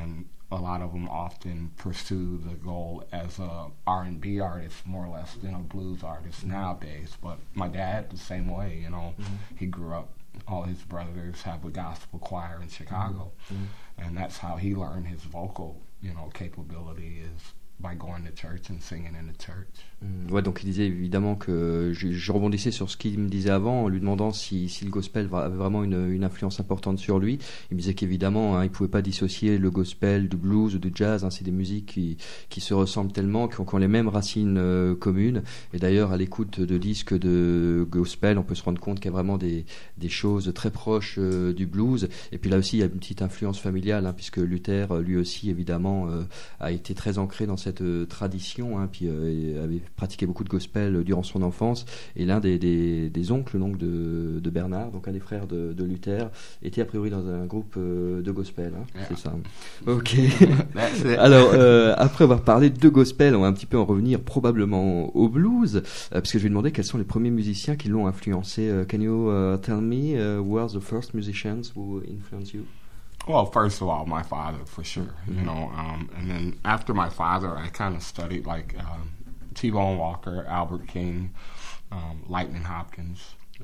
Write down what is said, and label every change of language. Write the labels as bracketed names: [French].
[English] And a lot of them often pursue the goal as a R&B artist, more or less, than a blues artist mm-hmm. nowadays. But my dad, the same way, you know, mm-hmm. he grew up, all his brothers have a gospel choir in Chicago. Mm-hmm. And that's how he learned his vocal, you know, capability is by going to church and singing in the church. Mm-hmm. [French] Ouais, donc il disait évidemment que je rebondissais sur ce qu'il me disait avant en lui demandant si le gospel avait vraiment une influence importante sur lui. Il me disait qu'évidemment hein, il pouvait pas dissocier le gospel du blues ou du jazz, hein, c'est des musiques qui se ressemblent tellement, qui ont les mêmes racines communes. Et d'ailleurs à l'écoute de disques de gospel, on peut se rendre compte qu'il y a vraiment des choses très proches du blues. Et puis là aussi il y a une petite influence familiale hein, puisque Luther lui aussi évidemment a été très ancré dans cette tradition hein, puis avait pratiquait beaucoup de gospel durant son enfance, et l'un des oncles donc de Bernard, donc un des frères de Luther, était a priori dans un groupe de gospel, hein, yeah. C'est ça. Ok. Alors, après avoir parlé de gospel, on va un petit peu en revenir probablement au blues, parce que je vais demander quels sont les premiers musiciens qui l'ont influencé. [English] Can you tell me who are the first musicians who influenced you? Well, first of all, my father, for sure. Mm-hmm. You know, and then after my father, I kind of studied like... T-Bone Walker, Albert King, Lightning Hopkins.